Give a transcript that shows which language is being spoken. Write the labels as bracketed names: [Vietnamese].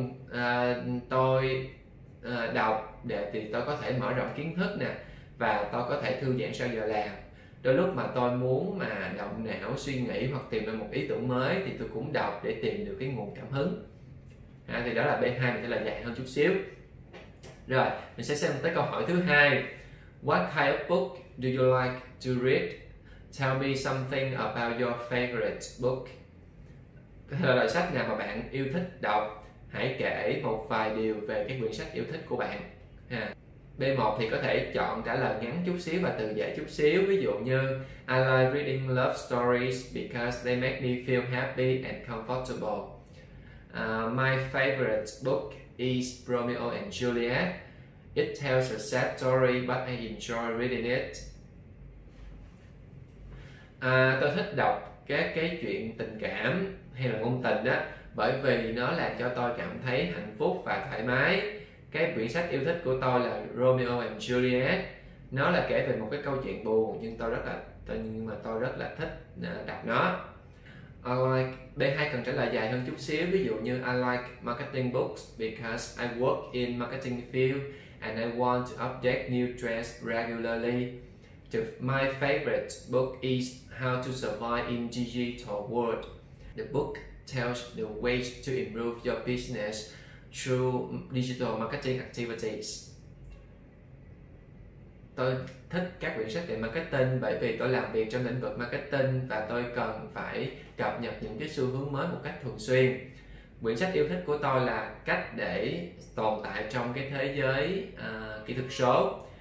[Vietnamese] Vâng, tôi đọc để thì tôi có thể mở rộng kiến thức nè và tôi có thể thư giãn sau giờ làm. Đôi lúc mà tôi muốn mà động não suy nghĩ hoặc tìm ra một ý tưởng mới thì tôi cũng đọc để tìm được cái nguồn cảm hứng. Thì đó là B2 mình sẽ là dài hơn chút xíu. Rồi, mình sẽ xem tới câu hỏi thứ hai. [English] What kind of book do you like to read? Tell me something about your favorite book. [Vietnamese] Loại sách nào mà bạn yêu thích đọc? Hãy kể một vài điều về cái quyển sách yêu thích của bạn. B1 thì có thể chọn trả lời ngắn chút xíu và từ giải chút xíu. Ví dụ như [English] I like reading love stories because they make me feel happy and comfortable. My favorite book is Romeo and Juliet. It tells a sad story but I enjoy reading it. [Vietnamese] Tôi thích đọc các cái chuyện tình cảm hay là ngôn tình đó bởi vì nó làm cho tôi cảm thấy hạnh phúc và thoải mái. Cái quyển sách yêu thích của tôi là Romeo and Juliet. Nó là kể về một cái câu chuyện buồn nhưng mà tôi rất là thích đọc nó. B2 cần trả lời dài hơn chút xíu. Ví dụ như [English] I like marketing books because I work in marketing field and I want to update new trends regularly. My favorite book is How to Survive in Digital World. The book tells the ways to improve your business through digital marketing activities. [Vietnamese] Tôi thích các quyển sách về marketing bởi vì tôi làm việc trong lĩnh vực marketing và tôi cần phải cập nhật những cái xu hướng mới một cách thường xuyên. Quyển sách yêu thích của tôi là Cách để tồn tại trong cái thế giới kỹ thuật số.